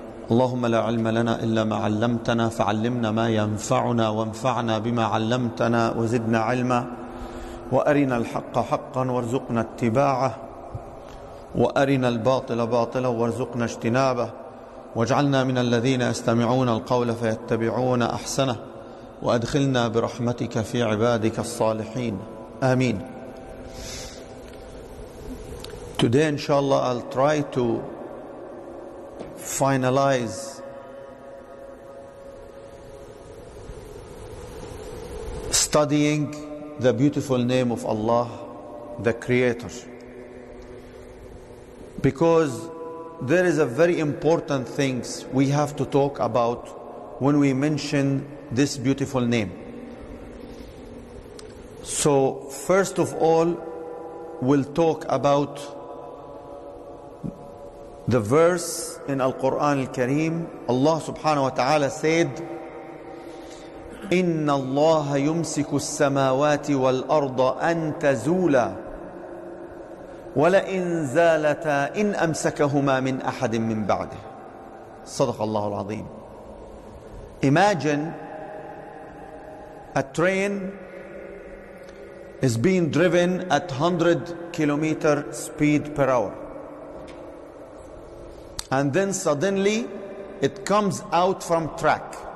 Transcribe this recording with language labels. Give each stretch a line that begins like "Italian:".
Arabic: اللهم لا علم لنا إلا ما علمتنا، فعلمنا ما ينفعنا، وانفعنا بما علمتنا، وزدنا علما، وأرنا الحق حقا وارزقنا اتباعه، وأرنا الباطل باطلا وارزقنا اجتنابه، واجعلنا من الذين يستمعون القول فيتبعون أحسنه، وأدخلنا برحمتك في عبادك الصالحين، آمين.
English: Today inshallah I'll try to finalize studying the beautiful name of Allah, the Creator. Because there is a very important things we have to talk about when we mention this beautiful name. So first of all, we'll talk about the verse in Al-Quran Al-Kareem. Allah subhanahu wa ta'ala said,
Arabic: إِنَّ اللَّهَ يُمْسِكُ السَّمَاوَاتِ وَالْأَرْضَ أَن تَزُولَ وَلَئِنْ زَالَتَا إِنْ أَمْسَكَهُمَا مِنْ أَحَدٍ مِّنْ بَعْدِهِ صدق الله العظيم.
English: Imagine a train is being driven at 100 kilometer speed per hour, and then suddenly it comes out from track.